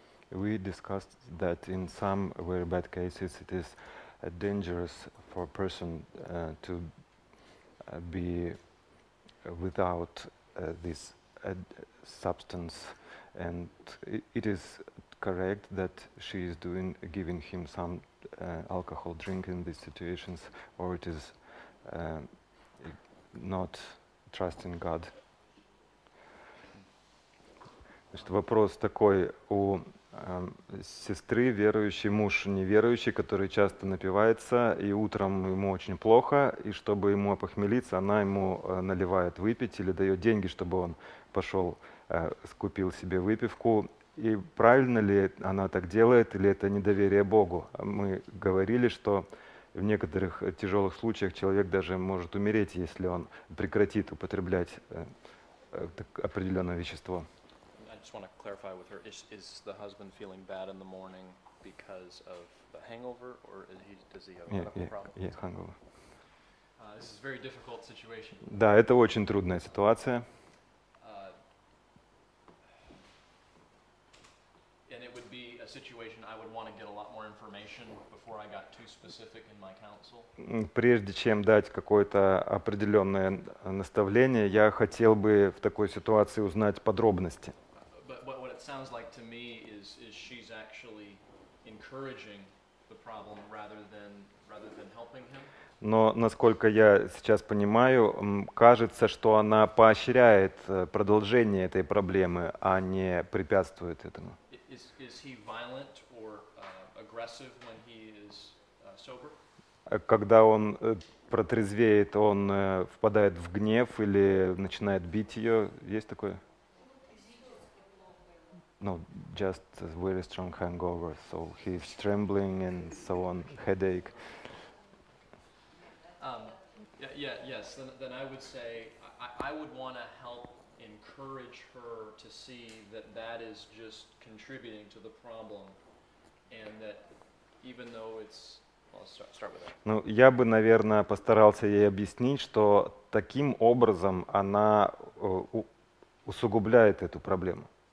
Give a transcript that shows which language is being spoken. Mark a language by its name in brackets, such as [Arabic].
[English] We discussed that in some very bad cases it is dangerous for a person to be without this substance, and it is correct that she is giving him some alcohol drink in these situations, or it is not trusting God. [Russian] Значит, вопрос такой у сестры, верующий муж неверующий, который часто напивается, и утром ему очень плохо, и чтобы ему опохмелиться, она ему наливает выпить или дает деньги, чтобы он пошел, купил себе выпивку. И правильно ли она так делает, или это недоверие Богу? Мы говорили, что в некоторых тяжелых случаях человек даже может умереть, если он прекратит употреблять определенное вещество. [English] I just want to clarify with her, is the husband feeling bad in the morning because of the hangover, or does he have medical problems? Hangover. This is a very difficult situation. [Russian] Да, это очень трудная ситуация. [English] And it would be a situation I would want to get a lot more information before I got too specific in my counsel. [Russian] Прежде чем дать какое-то определенное наставление, я хотел бы в такой ситуации узнать подробности. [English] Sounds like to me is she's actually encouraging the problem rather than helping him. [Russian] Но насколько я сейчас понимаю, кажется, что она поощряет продолжение этой проблемы, а не препятствует этому. [English] Is he violent or aggressive when he is sober? [Russian] Когда он протрезвеет, он впадает в гнев или начинает бить ее? Есть такое? [English] No, just a very strong hangover. So he's trembling and so on, headache. Yes. Then I would say I would want to help encourage her to see that is just contributing to the problem, and that even though it's [Russian] Ну, я бы, наверное, постарался ей объяснить, что таким образом она усугубляет эту проблему.